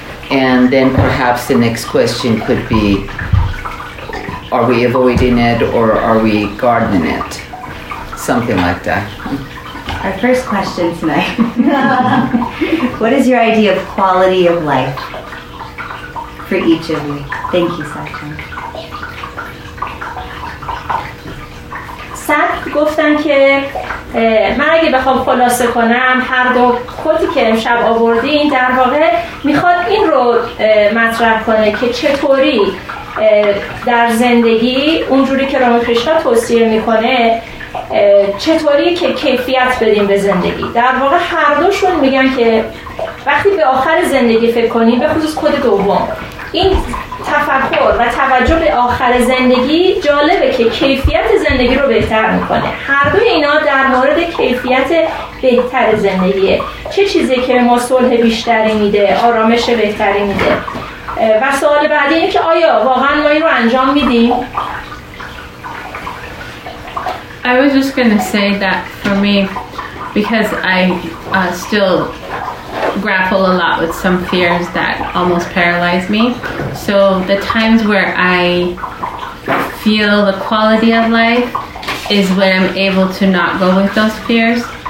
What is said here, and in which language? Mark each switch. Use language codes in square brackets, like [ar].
[en] And then perhaps the next question could be, are we avoiding it or are we guarding it? Something like that. Our first question tonight. What is your idea of quality of life for each of you? Thank you, Satchin. [fa] صد گفتن که من اگه بخوام خلاصه کنم هر دو کوتی که امشب آوردین در واقع میخواد این رو مطرح کنه که چطوری در زندگی اونجوری که رامکریشنا توصیه میکنه چطوری که کیفیت بدیم به زندگی. در واقع هر دوشون میگن که وقتی به آخر زندگی فکر کنیم، به خصوص کوت دوم، این تفکر و توجه به آخر زندگی جالبه که کیفیت زندگی رو بهتر میکنه. هر دوی اینا در مورد کیفیت بهتر زندگیه. چه چیزی که ما صلح بیشتری میده، آرامش بهتری میده؟ و سوال بعدی اینه که آیا واقعا ما این رو انجام میدیم؟ [en] I was just going to say that for me, because I still grapple a lot with some fears that almost paralyze me. So the times where I feel the quality of life is when I'm able to not go with those fears.